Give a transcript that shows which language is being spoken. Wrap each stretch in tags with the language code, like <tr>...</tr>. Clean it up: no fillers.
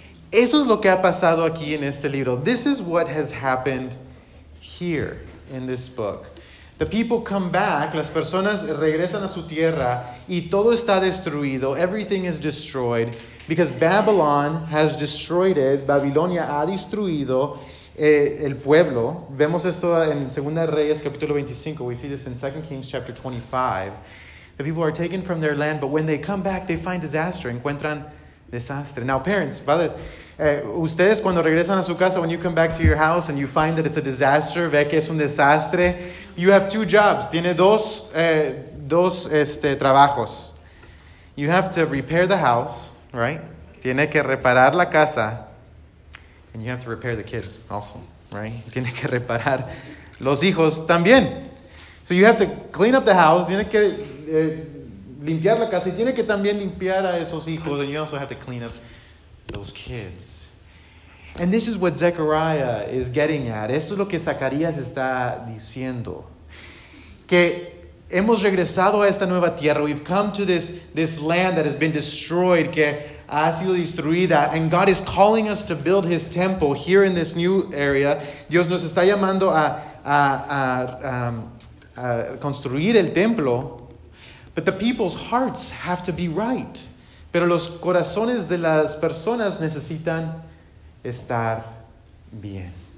<es>Eso es lo que ha pasado aquí en este libro.</es> <en>This is what has happened here in this book. The people come back,</en> <es>las personas regresan a su tierra, y todo está destruido,</es> <en>everything is destroyed, because Babylon has destroyed it,</en> <es>Babilonia ha destruido el pueblo. Vemos esto en 2 Reyes capítulo 25,</es> <en>we see this in 2 Kings chapter 25, The people are taken from their land, but when they come back, they find disaster.</en> <es>Encuentran desastre.</es> <en>Now, parents,</en> <es>padres, ustedes cuando regresan a su casa,</es> <en>when you come back to your house and you find that it's a disaster,</en> <es>ve que es un desastre,</es> <en>you have two jobs.</en> <es>Tiene dos trabajos.</es> <en>You have to repair the house, right?</en> <es>Tiene que reparar la casa.</es> <en>And you have to repair the kids also, right?</en> <es>Tiene que reparar los hijos también.</es> <en>So you have to clean up the house.</en> <es>Tiene que limpiar la casa. Y tiene que también limpiar a esos hijos.</es> <en>And you also have to clean up those kids. And this is what Zechariah is getting at.</en> <es>Eso es lo que Zacarías está diciendo. Que hemos regresado a esta nueva tierra.</es> <en>We've come to this land that has been destroyed.</en> <es>Que ha sido destruida.</es> <en>And God is calling us to build his temple here in this new area.</en> <es>Dios nos está llamando a construir el templo.</es> <en>But the people's hearts have to be right.</en> <es>Pero los corazones de las personas necesitan estar bien.</es>